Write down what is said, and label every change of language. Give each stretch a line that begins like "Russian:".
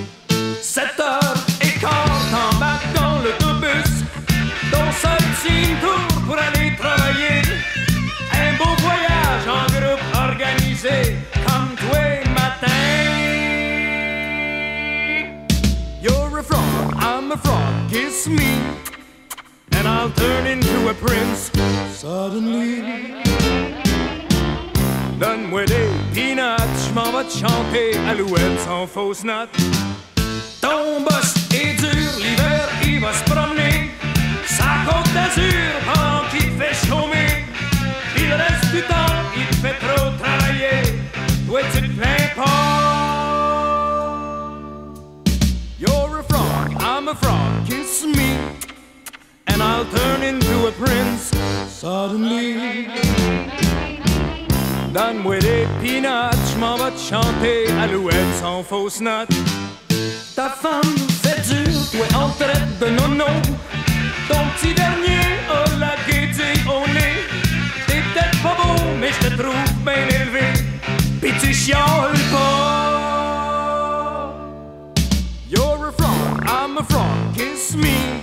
French: 7h15, t'embarques dans l'autobus, ton seul team tour pour aller travailler. Un beau voyage en groupe organisé, comme toi matin.
English: You're a frog, I'm a frog, kiss me. and I'll turn into a prince suddenly.
French: Donne-moi des peanuts, j'm'en vais chanter alouettes en fausse note. Ton boss est dur, l'hiver il va se promener. Sa Côte d'Azur pendant qu'il fait chômer. Il reste du temps, il fait trop travailler. Toi tu te plains pas.
English: You're a frog, I'm a frog, kiss me. And I'll turn into a prince suddenly.
French: Donne-moi des peanuts, j'm'en vais chanter alouettes en fausse note. Ta femme fait dur, toi on traite de nono. Ton petit dernier a la gaieté au nez. T'es peut-être pas beau, mais j'te trouve bien élevé. Pis tu chiales pas.
English: You're a frog, I'm a frog, kiss me.